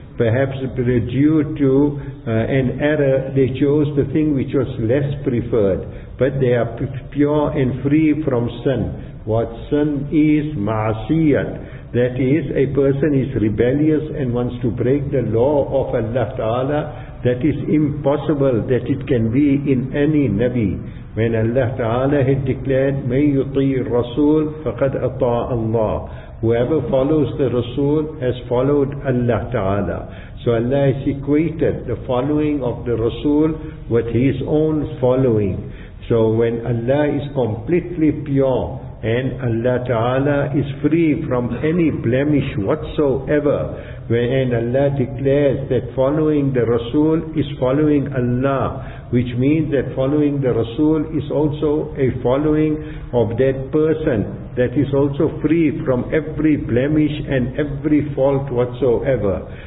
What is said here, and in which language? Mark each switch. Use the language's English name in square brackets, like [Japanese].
[English] Perhaps due to an error, they chose the thing which was less preferred. But they are pure and free from sin. What sin is, ma'asiyat. That is, a person is rebellious and wants to break the law of Allah Ta'ala. That is impossible that it can be in any Nabi. When Allah Ta'ala had declared, [Arabic] مَنْ يُطِيِ الرَّسُولِ فَقَدْ أَطَاءَ اللَّهِ. [English] Whoever follows the Rasul has followed Allah Ta'ala. So Allah has equated the following of the Rasul with his own following. So when Allah is completely pure and Allah Ta'ala is free from any blemish whatsoever, when Allah declares that following the Rasul is following Allah, which means that following the Rasul is also a following of that person that is also free from every blemish and every fault whatsoever.